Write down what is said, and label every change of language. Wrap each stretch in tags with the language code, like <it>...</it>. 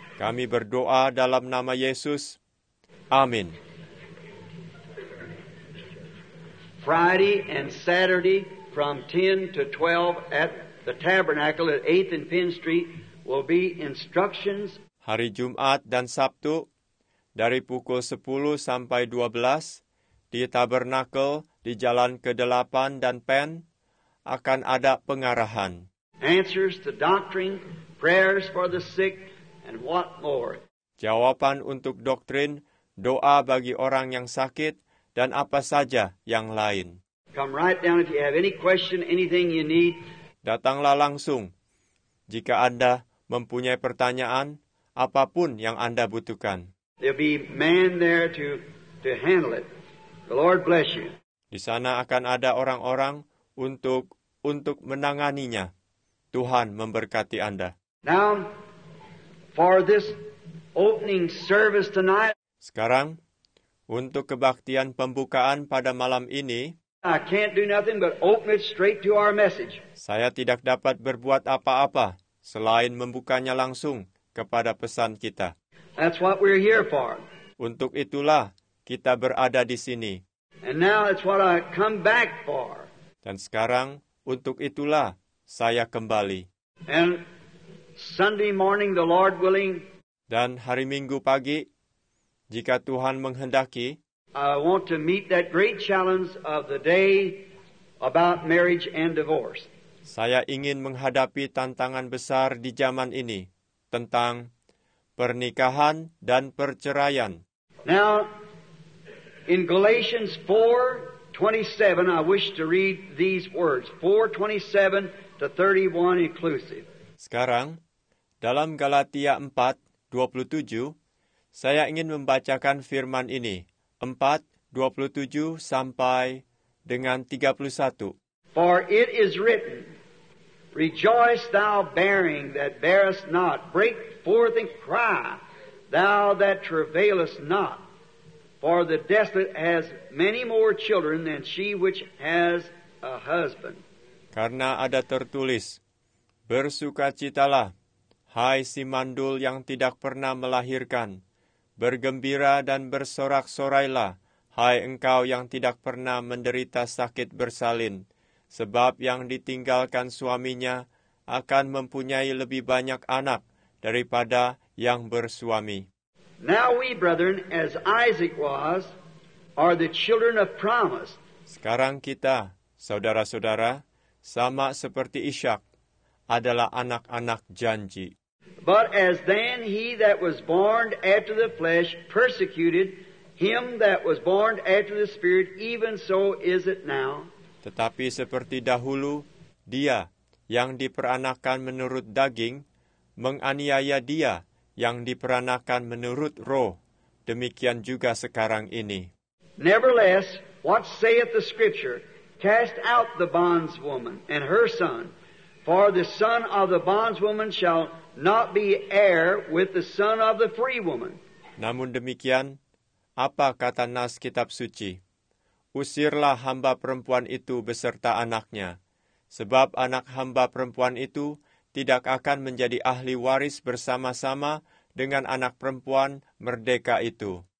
<id>Kami berdoa dalam nama Yesus, amin.</id> <en>Friday and Saturday from 10 to 12 at the Tabernacle at 8th and Penn Street will be instructions.</en> <id>Hari Jumat dan Sabtu dari pukul 10 sampai 12 di Tabernacle di Jalan ke-8 dan Penn akan ada pengarahan.</id> <en>Answers to doctrine, prayers for the sick, and what more?</en> <id>Jawaban untuk doktrin, doa bagi orang yang sakit, dan apa saja yang lain.</id> <en>Come right down if you have any question, anything you need.</en> <id>Datanglah langsung jika Anda mempunyai pertanyaan, apapun yang Anda butuhkan.</id> <en>There'll be man there to handle it. The Lord bless you.</en> <id>Di sana akan ada orang-orang untuk menanganinya. Tuhan memberkati Anda.</id> <en>Now, for this opening service tonight.</en> <id>Sekarang, untuk kebaktian pembukaan pada malam ini,</id> <en>I can't do nothing but open it straight to our message.</en> <id>Saya tidak dapat berbuat apa-apa selain membukanya langsung kepada pesan kita.</id> <en>That's what we're here for.</en> <id>Untuk itulah kita berada di sini.</id> <en>And now it's what I come back for.</en> <id>Dan sekarang untuk itulah saya kembali.</id> <en>And Sunday morning, the Lord willing.</en> <id>Dan hari Minggu pagi, jika Tuhan menghendaki,</id> <en>I want to meet that great challenge of the day about marriage and divorce.</en> <id>Saya ingin menghadapi tantangan besar di zaman ini tentang pernikahan dan perceraian.</id> <en>Now, in Galatians 4:27, I wish to read these words, 4:27 to 31 inclusive.</en> <id>Sekarang, dalam Galatia 4:27, saya ingin membacakan firman ini, 4:27 sampai dengan 31.</id> <en>For it is written, rejoice thou bearing that bearest not, break forth and cry, thou that travailest not. For the desolate has many more children than she which has a husband.</en> <id>Karena ada tertulis, bersukacitalah, hai si mandul yang tidak pernah melahirkan. Bergembira dan bersorak-sorailah, hai engkau yang tidak pernah menderita sakit bersalin. Sebab yang ditinggalkan suaminya akan mempunyai lebih banyak anak daripada yang bersuami.</id> <en>Now we, brethren, as Isaac was, are the children of promise.</en> <id>Sekarang kita, saudara-saudara, sama seperti Ishak, adalah anak-anak janji.</id> <en>But as then he that was born after the flesh persecuted him that was born after the spirit, even so is it now.</en> <id>Tetapi seperti dahulu, dia yang diperanakan menurut daging menganiaya dia yang diperanakan menurut roh, demikian juga sekarang ini.</id> <en>Nevertheless, what saith the scripture? Cast out the bondswoman and her son, for the son of the bondswoman shall not be heir with the son of the free woman.</en> <id>Namun demikian, apa kata nas kitab suci? Usirlah hamba perempuan itu beserta anaknya, sebab anak hamba perempuan itu tidak akan menjadi ahli waris bersama-sama dengan anak perempuan merdeka itu.</id>